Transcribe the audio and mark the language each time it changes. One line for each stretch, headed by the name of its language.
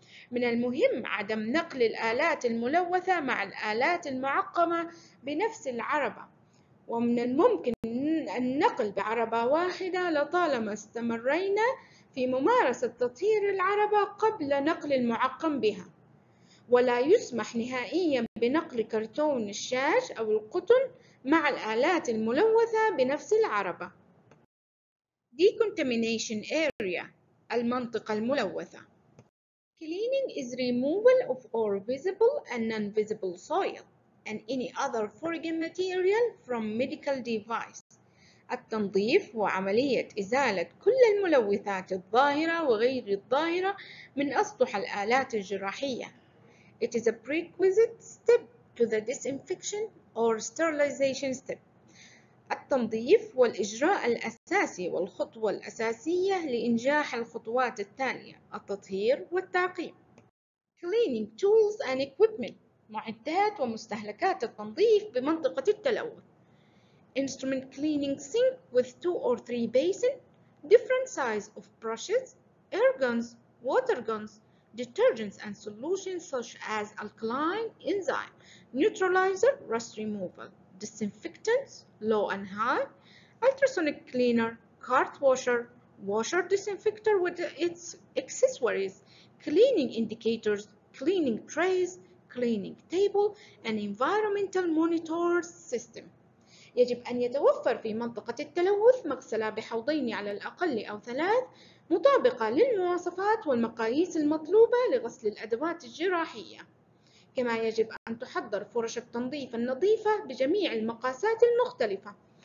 Arabic: من المهم عدم نقل الآلات الملوثة مع الآلات المعقمة بنفس العربة، ومن الممكن النقل بعربة واحدة لطالما استمرينا في ممارسة تطهير العربة قبل نقل المعقم بها، ولا يسمح نهائياً بنقل كرتون الشاش أو القطن مع الآلات الملوثة بنفس العربة.
English: Decontamination area،
Arabic: المنطقة الملوثة.
English: Cleaning is removal of all visible and non-visible soil and any other foreign material from medical device.
Arabic: التنظيف هو عملية إزالة كل الملوثات الظاهرة وغير الظاهرة من أسطح الآلات الجراحية.
English: It is a prerequisite step to the disinfection or sterilization step.
Arabic: التنظيف هو الإجراء الأساسي والخطوة الأساسية لإنجاح الخطوات التالية: التطهير والتعقيم.
English: Cleaning tools and equipment،
Arabic: معدات ومستهلكات التنظيف بمنطقة التلوث.
English: Instrument cleaning sink with two or three basins, different size of brushes, air guns, water guns, detergents and solutions such as alkaline enzyme, neutralizer, rust removal, disinfectants, low and high, ultrasonic cleaner, cart washer, washer disinfector with its accessories, cleaning indicators, cleaning trays, cleaning table, and environmental monitor system.
Arabic: يجب أن يتوفر في منطقة التلوث مغسلة بحوضين على الأقل أو ثلاث مطابقة للمواصفات والمقاييس المطلوبة لغسل الأدوات الجراحية، كما يجب أن تحضر فرش التنظيف النظيفة بجميع المقاسات المختلفة،